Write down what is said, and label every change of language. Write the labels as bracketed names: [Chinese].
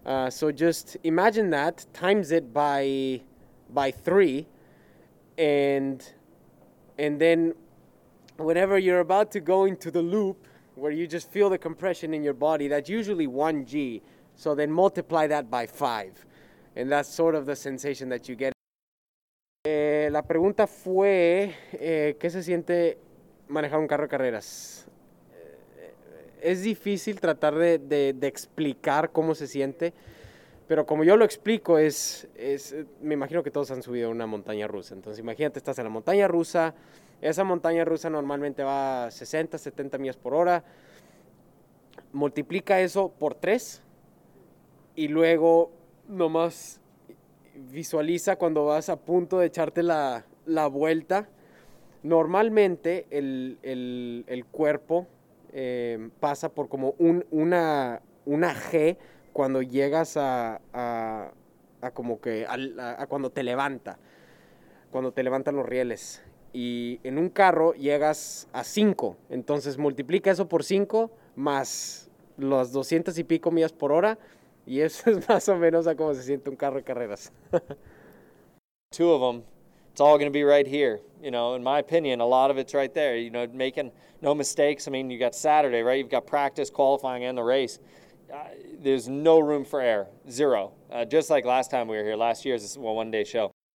[English] So just imagine that, times it by three, and then whenever you're about to go into the loop where you just feel the compression in your body, that's usually 1G. So then multiply that by five. And that's sort of the sensation that you get. [Spanish] La pregunta fue, ¿qué se siente manejar un carro de carreras? Es difícil tratar de explicar cómo se siente, pero como yo lo explico, es me imagino que todos han subido una montaña rusa. Entonces imagínate, estás en la montaña rusa, esa montaña rusa normalmente va a 60, 70 millas por hora, multiplica eso por 3 y luego nomás visualiza cuando vas a punto de echarte la vuelta. Normalmente el cuerpo pasa por como una G cuando llegas a como que a cuando te levanta, cuando te levantan los rieles. Y en un carro llegas a 5, entonces multiplica eso por 5 más los 200 y pico millas por hora. Y eso es más o menos a cómo se siente un carro de carreras. [English] Two of them, it's all going to be right here. You know, in my opinion, a lot of it's right there. You know, making no mistakes. I mean, you got Saturday, right? You've got practice, qualifying, and the race. There's no room for error, zero. Just like last time we were here, last year's a one-day show.